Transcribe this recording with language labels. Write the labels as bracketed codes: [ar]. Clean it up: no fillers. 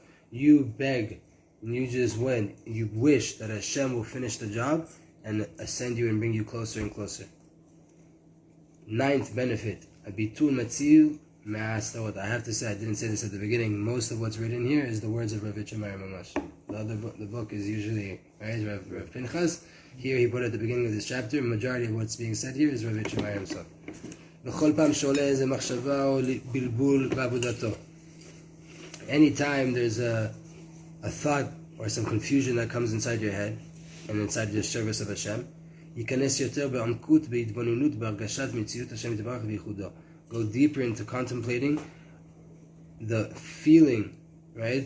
[en] You beg, and you just went, you wish that Hashem will finish the job, and ascend you and bring you closer and closer. Ninth benefit, [he] הביטול מציל מהסתרות. [en] I have to say, I didn't say this at the beginning, most of what's written here is the words of Rav Itchamayim Mamash. The book is usually, right, Rav Pinchas. Here he put it at the beginning of this chapter, majority of what's being said here is Rav Itchamayim himself. [he] וכל פעם שעולה איזה מחשבה או בלבול בעבודתו. [en] Anytime there's a thought or some confusion that comes inside your head, and inside the service of Hashem, [he] ייכנס יותר בעמקות בהתבוננות בהרגשת מציאות השם יתברך וייחודו. [en] Go deeper into contemplating the feeling, right?